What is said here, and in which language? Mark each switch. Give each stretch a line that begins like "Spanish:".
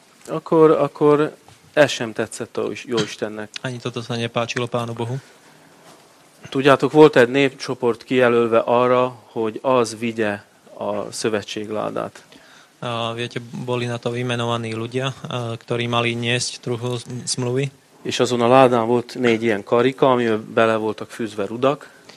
Hungarian: Akor ez sem tetszett a jó Istennek.
Slovak: Ani toto sa nepáčilo Pánu Bohu.
Hungarian: Tudjátok, volt egy népcsoport kijelölve arra, hogy az vigye a szövetségládát.
Slovak: Viete, boli na to vymenovaní ľudia, ktorí mali niesť truhlu smluvy.
Hungarian: És azon a ládán volt négy ilyen karika, amiben bele voltak fűzve rudak.